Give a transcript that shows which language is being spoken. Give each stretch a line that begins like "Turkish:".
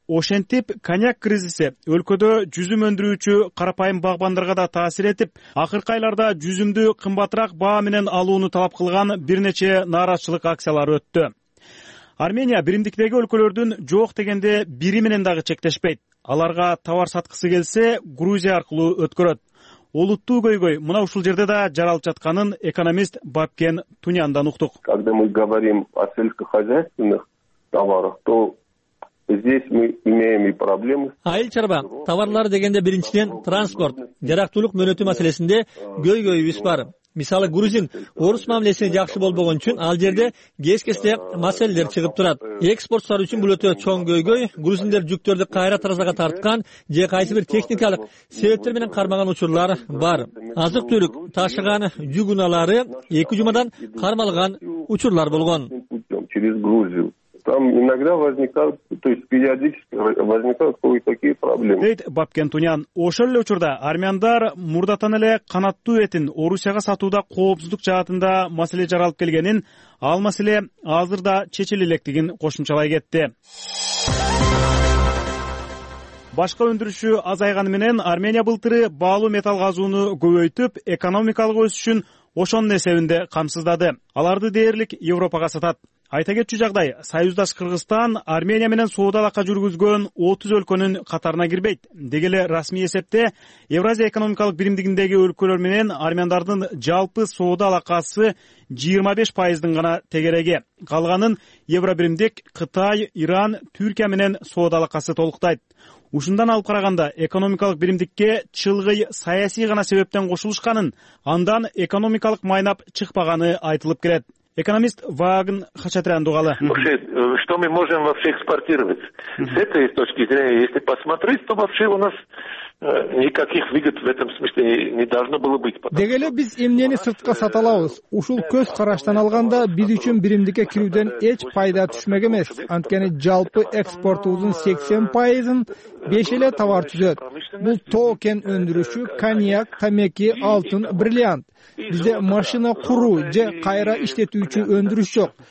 Kyrgyz: Ошентип, коньяк кризиси өлкөдө жүзүм өндүрүүчү карапайым багбандарга да таасир этип, акыркы айларда жүзүмдү кымбатыраак баа менен алууну талап кылган бир нече нааразычылык акциялары өттү. Армения биримдиктеги өлкөлөрдүн жок дегенде бири менен дагы чектешпейт. Аларга товар саткысы келсе, Грузия аркылуу өткөрөт. Улуттуу көйгөй мына ушул жерде да жаралып жатканын экономист Бабкен Туняндан уктук.
Russian: Когда мы говорим о сельскохозяйственных товарах, то Здесь мы имеем и проблемы.
Kyrgyz: Айыл чарба, товарлар дегенде биринчиден транспорт, жарактуулук мөөнөтү маселесинде көйгөйүбүз бар. Мисалы грузин орус мамилесине жакшы болбогон үчүн ал жерде кескесте маселелер чыгып турат. Экспортчулар үчүн бул өтө чоң көйгөй. Грузиндер жүктөрдү кайра таразага тарткан же кайсы бир техникалык себептер менен кармаган учурлар бар. Азык түлүк ташыган жүк унаалары 2 жумадан кармалган учурлар болгон.
Russian: Через Грузию. Там иногда возникают, то есть периодически возникают кое-какие проблемы.
Kyrgyz: Дейт Бабкен Тунян. Ошол эле учурда армяндар мурдатан эле канаттуу этин Орусияга сатууда коопсуздук жаатында маселе жаралып келгенин, ал маселе азырда чечиле электигин кошумчалай кетти. Башка өндүрүшү азайганы менен Армения былтыры баалуу металл казууну көбөйтүп, экономикалык өсүшүн ошонун эсебинде камсыздады. Аларды дээрлик Европага сатат. Айта кетчү жагдай, союздаш Кыргызстан Армения менен соода алака жүргүзгөн 30 өлкөнүн катарына кирбейт. Деги эле расмий эсепте Евразия экономикалык биримдигиндеги өлкөлөр менен армяндардын жалпы соода алакасы 25% гана тегереги. Калганын Евробиримдик Кытай, Иран, Түркия менен соода алакасы толуктайт. Ушундан алып караганда экономикалык биримдикке чылгый саясий гана себептен кошулушканын, андан экономикалык майнап чыкпаганы айтылып келет. Экономист Ваган Хачатрян Дугалы.
Russian: Вообще, что мы можем вообще экспортировать? С этой точки зрения, если посмотреть, то вообще у нас никаких выгод в этом смысле не должно было быть.
Kyrgyz: Деги эле биз эмнени сыртка сата алабыз? Ушул көз караштан алганда биз үчүн биримдикке кирүүдөн эч пайда түшмөк эмес. Анткени жалпы экспортубуздун 80% беш эле товар түзөт. Бул тоо-кен өндүрүшү, коньяк, тамеки, алтын, бриллиант. Бизде машина куруу же кайра иштетүүчү өндүрүш жок.